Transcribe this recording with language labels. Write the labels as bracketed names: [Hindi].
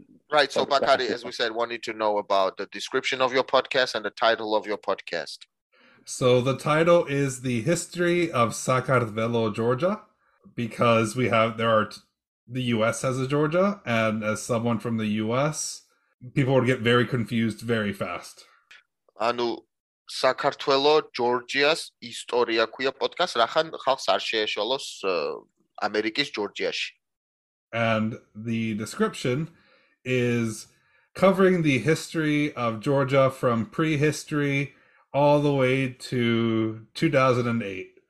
[English] Right, so Bakari, as we said, wanted to know about the description of your podcast and the title of your podcast. So the title is The History of Sakartvelo, Georgia, because the US has a Georgia, and as someone from the US, people would get very confused very fast. [Georgian] Anu საქართველო ჯორჯიას ისტორია ქვია პოდკასტს, რახან ხალხს არ შეეშალოს ამერიკის ჯორჯიაში. [English] And the description is covering the history of Georgia from prehistory all the way to 2008.